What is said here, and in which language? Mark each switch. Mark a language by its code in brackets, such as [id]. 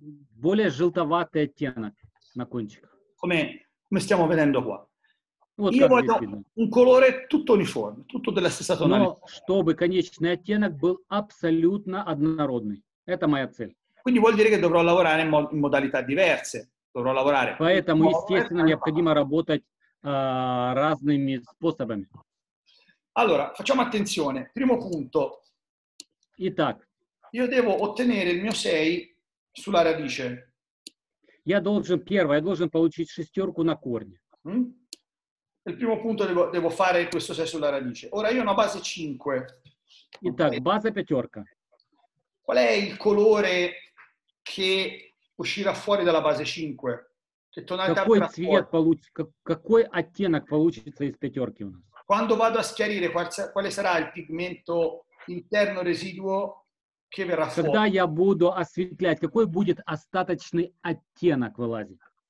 [ru] Более желтоватый оттенок на кончиках. [it] Come stiamo vedendo qua. Вот io voglio un colore tutto uniforme, tutto della stessa tonalità. [ru] Но чтобы конечный оттенок был абсолютно однородный. Это моя цель. [it] Quindi vuol dire che dovrò lavorare in modalità diverse. Dovrò lavorare. [ru] Поэтому, естественно, необходимо работать разными способами. [it] Allora, facciamo attenzione. Primo punto. [ru] Итак. [it] Io devo ottenere il mio 6 sulla radice. [ru] Я должен, первое, я должен получить шестерку на корне. [it] Il primo punto devo fare questo 6 sulla radice. Ora io ho una base 5. [ru] Итак, base пятерка. [it] Qual è il colore che uscirà fuori dalla base 5? Che [ru] tonalità какой цвет получится, какой оттенок получится из пятерки у нас? [it] Quando vado a schiarire, quale sarà il pigmento interno residuo che verrà fuori? [ru] Когда я буду осветлять, какой будет остаточный оттенок вылазить?